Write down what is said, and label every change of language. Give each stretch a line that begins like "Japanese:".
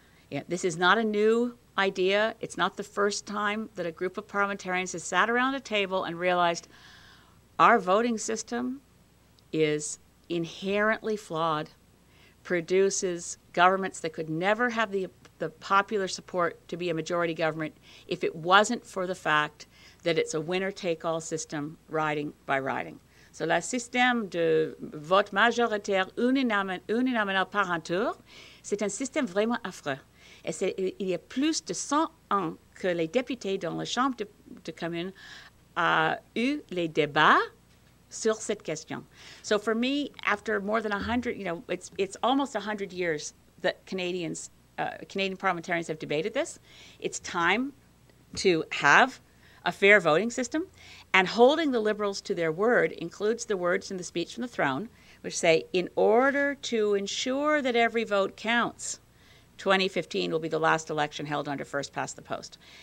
English: Yeah, this is not a new idea. It's not the first time that a group of parliamentarians has sat around a table and realized our voting system is inherently flawed, produces governments that could never have the popular support to be a majority government if it wasn't for the fact that it's a winner-take-all system, riding by riding.
French: So, le système de vote majoritaire uninominal par un tour, c'est un système vraiment affreux. Et c'est, il y a plus de 101 que les députés dans la Chambre de communes ont eu les débats sur cette question.
English: So, for me, after more than 100, you know, it's almost 100 years that Canadian parliamentarians have debated this. It's time to have a fair voting system, and holding the Liberals to their word includes the words in the speech from the throne, which say, in order to ensure that every vote counts, 2015 will be the last election held under first past the post.